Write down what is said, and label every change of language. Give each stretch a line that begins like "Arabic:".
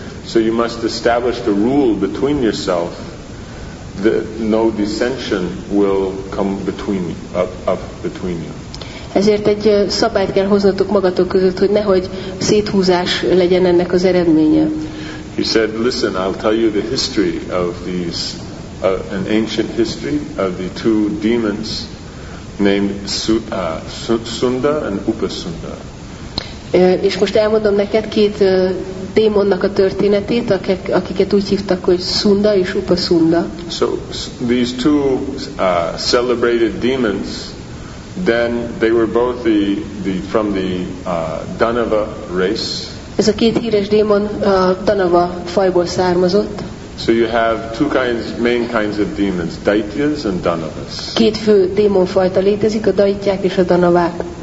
English: So you must establish the rule between yourself that no dissension will come between you, up between you.
Hungarian: Ezért egy szabályt kell hoznatok magatok között, hogy nehogy széthúzás legyen ennek az eredménye.
English: He said, listen, I'll tell you the history of these, an ancient history of the two demons named Sunda and Upasunda.
Hungarian: És most elmondom neked két démonnak a történetét, akiket úgy hívtak, hogy Sunda és Upasunda.
English: So these two celebrated demons, then they were both from the Danava race.
Hungarian: Ez a két híres démon Danava fajból származott.
English: So you have two kinds, main kinds of demons, Daityas and Danavas.
Hungarian: Két fő démonfajta létezik, a Daityák és a Danavák.